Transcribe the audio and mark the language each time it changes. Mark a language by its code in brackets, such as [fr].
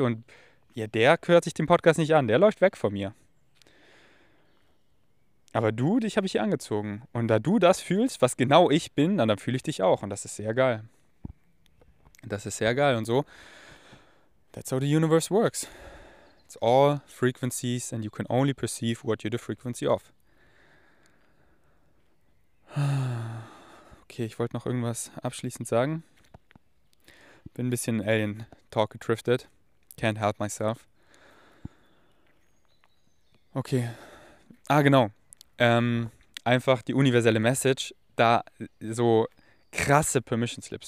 [de] Und ja, der hört sich den Podcast nicht an. Der läuft weg von mir. Aber du, dich habe ich hier angezogen. Und da du das fühlst, was genau ich bin, dann fühle ich dich auch. Und das ist sehr geil. Das ist sehr geil. Und so, [en] that's how the universe works. It's all frequencies and you can only perceive what you're the frequency of. [de] Okay, ich wollte noch irgendwas abschließend sagen. Bin ein bisschen in Alien-Talk gedriftet. [en] Can't help myself. [de] Okay. Ah, genau. Einfach die universelle Message, da so krasse Permission Slips.